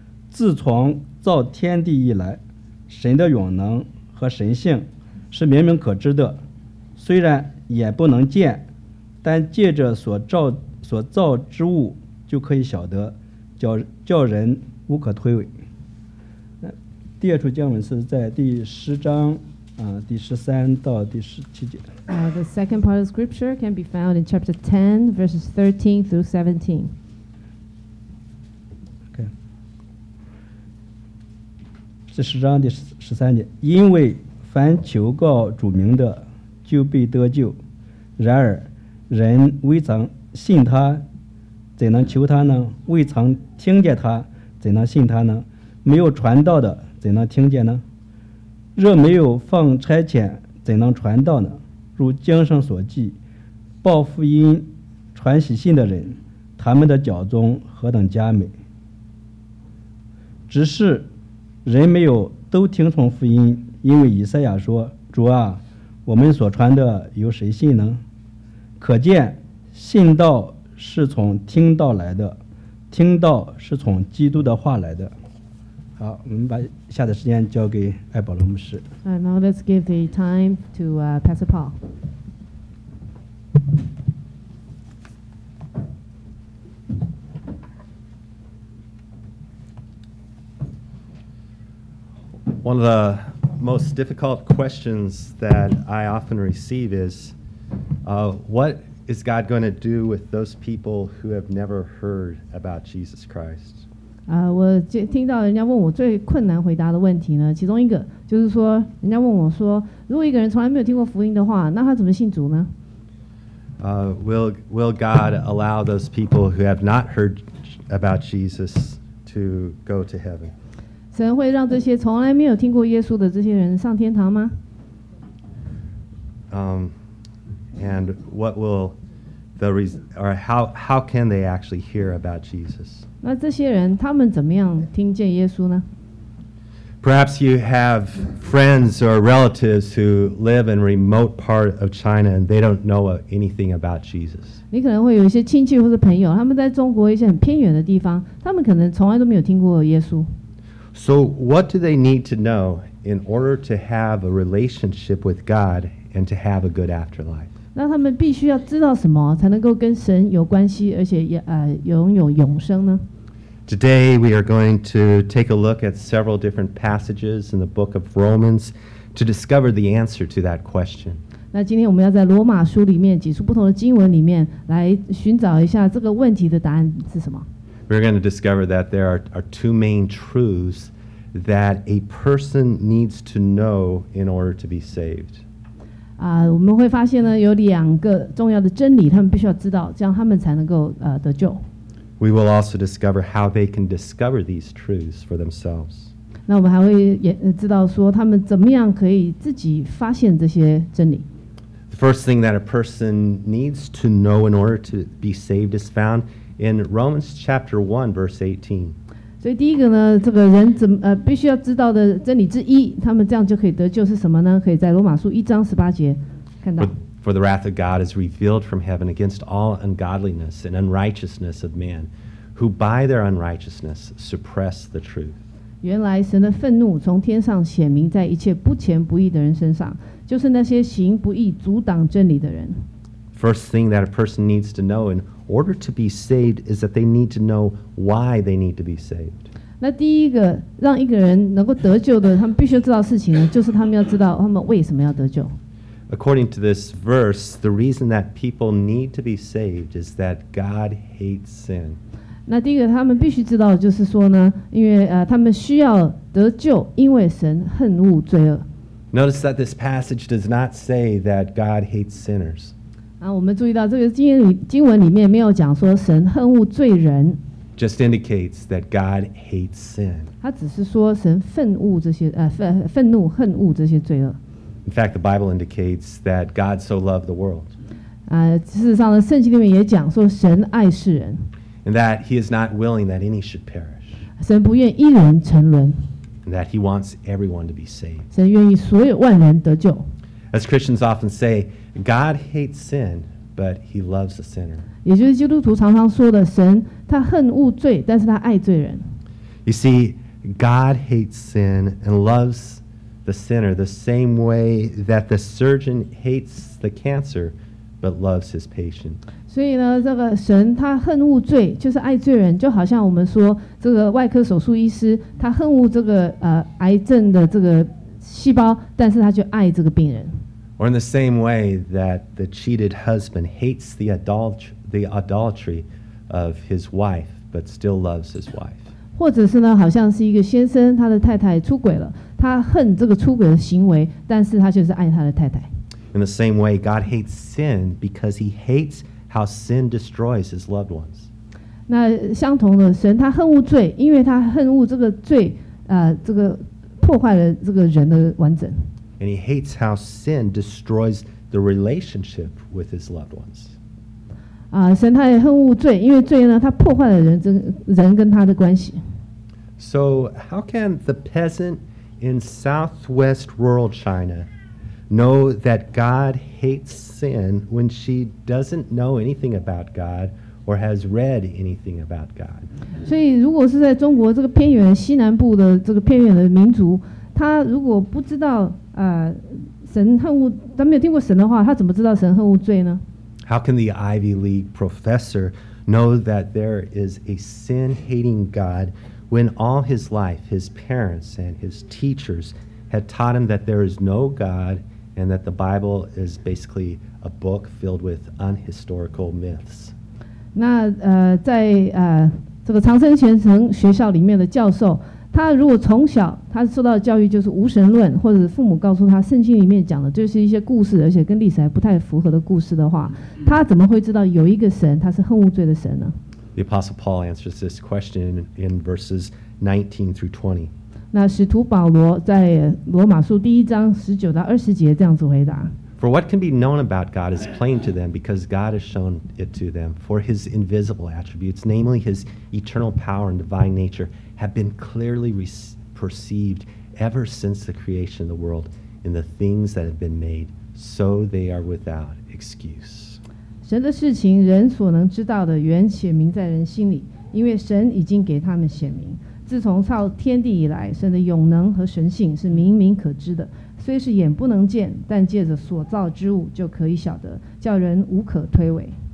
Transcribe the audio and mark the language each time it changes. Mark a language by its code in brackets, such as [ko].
[zh] 自从造天地以来，神的永能和神性是明明可知的，虽然眼不能见，但借着所造之物就可以晓得，叫人无可推诿。第二处经文是在第十章第13-17节。 [en] The second part of scripture can be found in chapter 10 verses 13 through 17. Okay. [zh] 10章13节，因为凡求告主名的就必得救，然而人未曾信他，怎能求他呢？未曾听见他，怎能信他呢？没有传道的怎能听见呢？若没有奉差遣，怎能传道呢？如经上所记，报福音、传喜信的人，他们的脚中何等佳美！只是人没有都听从福音，因为以赛亚说：“主啊，我们所传的由谁信呢？” 可见信道是从听道来的，听道是从基督的话来的。好，我们把下的时间交给艾保罗牧师。 [en] Now let's give the time to Pastor Paul. One of the most difficult questions that I often receive is, what is God going to do with those people who have never heard about Jesus Christ? [zh] 我听到人家问我最困难回答的问题呢，其中一个就是说，人家问我说，如果一个人从来没有听过福音的话，那他怎么信主呢？ [en] Will God allow those people who have not heard about Jesus to go to heaven? [zh] 神会让这些从来没有听过耶稣的这些人上天堂吗？ [en] And what will the reason, or how can they actually hear about Jesus? [zh] 那这些人他们怎么样听见耶稣呢？ [en] Perhaps you have friends or relatives who live in remote part of China and they don't know anything about Jesus. [zh] 你可能会有一些亲戚或者朋友，他们在中国一些很偏远的地方，他们可能从来都没有听过耶稣。 [en] So what do they need to know in order to have a relationship with God and to have a good afterlife? [zh] 那他们必须要知道什么才能够跟神有关系，而且拥有永生呢？ [en] Today we are going to take a look at several different passages in the book of Romans to discover the answer to that question. [zh] 那今天我们要在罗马书里面几处不同的经文里面来寻找一下这个问题的答案是什么。 [en] We're going to discover that there are two main truths that a person needs to know in order to be saved. [zh] 我们会发现呢，有两个重要的真理，他们必须要知道，这样他们才能够得救。 [en] We will also discover how they can discover these truths for themselves. [zh] 那我们还会知道说，他们怎么样可以自己发现这些真理。 [en] The first thing that a person needs to know in order to be saved is found in Romans chapter 1, verse 18. [zh] 所以第一个呢，这个人必须要知道的真理之一，他们这样就可以得救是什么呢？可以在罗马书一章十八节看到。 [en] For the wrath of God is revealed from heaven against all ungodliness and unrighteousness of man, who by their unrighteousness suppress the truth. [zh] 原来神的愤怒从天上显明在一切不虔不义的人身上，就是那些行不义、阻挡真理的人。 [en] First thing that a person needs to know in order to be saved is that they need to know why they need to be saved. [zh] 那第一个让一个人能够得救的，他们必须知道事情呢，就是他们要知道他们为什么要得救。 [en] According to this verse, the reason that people need to be saved is that God hates sin. [zh] 那第一个他们必须知道就是说呢，因为他们需要得救，因为神恨恶罪恶。 [en] Notice that this passage does not say that God hates sinners. [zh] 啊，我们注意到这个经文里面没有讲说神恨恶罪人。 [en] Just indicates that God hates sin. [zh] 他只是说神愤怒恨恶这些罪恶。 [en] In fact, the Bible indicates that God so loved the world. [zh] 事实上呢，圣经里面也讲说神爱世人。 [en] And that He is not willing that any should perish. [zh] 神不愿一人沉沦。 [en] And that He wants everyone to be saved. [zh] 神愿意所有万人得救。 [en] As Christians often say, God hates sin, but He loves the sinner. [zh] 也就是基督徒常常说的，神他恨恶罪，但是他爱罪人。 [en] You see, God hates sin and loves the sinner the same way that the surgeon hates the cancer but loves his patient. [zh] 所以呢，这个神他恨恶罪，就是爱罪人，就好像我们说这个外科手术医师，他恨恶这个癌症的这个细胞，但是他却爱这个病人。 [en] Or in the same way that the cheated husband hates the adultery of his wife but still loves his wife. [zh] 或者是呢，好像是一个先生，他的太太出轨了。他恨这个出轨的行为，但是他却是爱他的太太。 [en] In the same way, God hates sin because He hates how sin destroys His loved ones. [zh] 那相同的，神他恨恶罪，因为他恨恶这个罪，这个破坏了这个人的完整。 [en] And He hates how sin destroys the relationship with His loved ones. [zh] 神他也恨恶罪，因为罪呢，他破坏了人跟他的关系。 [en] So how can the peasant in southwest rural China know that God hates sin when she doesn't know anything about God or has read anything about God? [zh] 所以如果是在中国这个偏远西南部的这个偏远的民族，他如果不知道神恨恶，他没有听过神的话，他怎么知道神恨恶罪呢？ [en] How can the Ivy League professor know that there is a sin-hating God when all his life his parents and his teachers had taught him that there is no God and that the Bible is basically a book filled with unhistorical myths? [zh] 那在这个长生贤城学校里面的教授，他如果从小他受到的教育就是无神论，或者父母告诉他圣经里面讲的就是一些故事，而且跟历史还不太符合的故事的话，他怎么会知道有一个神他是恨恶罪的神呢？ [en] The Apostle Paul answers this question in verses 19 through 20. [zh] 那使徒保罗在罗马书第一章十九到二十节这样子回答。 [en] For what can be known about God is plain to them, because God has shown it to them. For His invisible attributes, namely His eternal power and divine nature, have been clearly perceived ever since the creation of the world in the things that have been made, so they are without excuse. [zh] 神的事情人所能知道的原写明在人心里，因为神已经给他们显明，自从造天地以来，神的永能和神性是明明可知的，虽是眼不能见，但借着所造之物就可以晓得，叫人无可推诿。